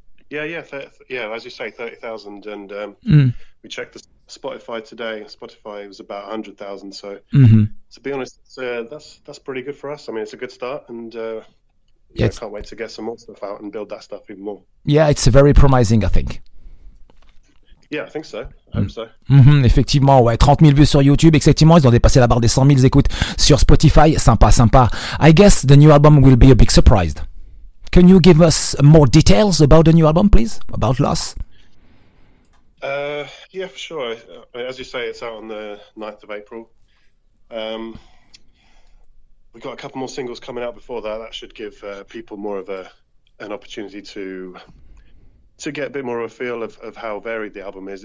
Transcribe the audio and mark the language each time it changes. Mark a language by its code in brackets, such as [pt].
[en] Yeah, as you say, 30,000, and we checked the Spotify today. Spotify was about 100,000, so to be honest, that's pretty good for us. I mean, it's a good start, and I can't wait to get some more stuff out and build that stuff even more. Yeah, it's very promising, I think. Yeah, I think so. Hope so. [fr] Mm-hmm, effectivement, ouais, 30 000 vues sur YouTube, effectivement, ils ont dépassé la barre des 100 000 écoutes sur Spotify. Sympa, sympa. [en] I guess the new album will be a big surprise. Can you give us more details about the new album, please? About Loss? Yeah, for sure. As you say, it's out on the 9th of April. We've got a couple more singles coming out before that. That should give people more of an opportunity to get a bit more of a feel of how varied the album is.